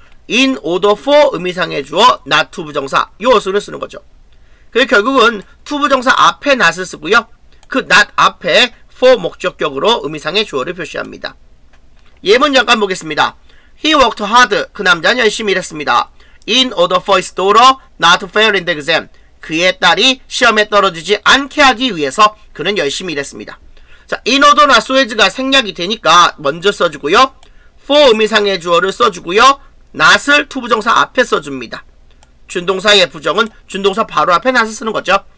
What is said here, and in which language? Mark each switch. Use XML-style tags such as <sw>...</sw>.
<ko>In order for 의미상의 주어 not to 부정사 이 어순을 쓰는 거죠. 그리고 결국은 to 부정사 앞에 not을 쓰고요. 그 not 앞에 for 목적격으로 의미상의 주어를 표시합니다. 예문 잠깐 보겠습니다.</ko> <en>He worked hard.</en> <ko>그 남자는 열심히 일했습니다.</ko> <en>In order for his daughter not to fail in the exam.</en> <ko>그의 딸이 시험에 떨어지지 않게 하기 위해서 그는 열심히 일했습니다. 자, in order나 so as가 생략이 되니까 먼저 써주고요. for 의미상의 주어를 써주고요. not을 to 부정사 앞에 써줍니다. 준동사의 부정은 준동사 바로 앞에 not을 쓰는 거죠.</ko>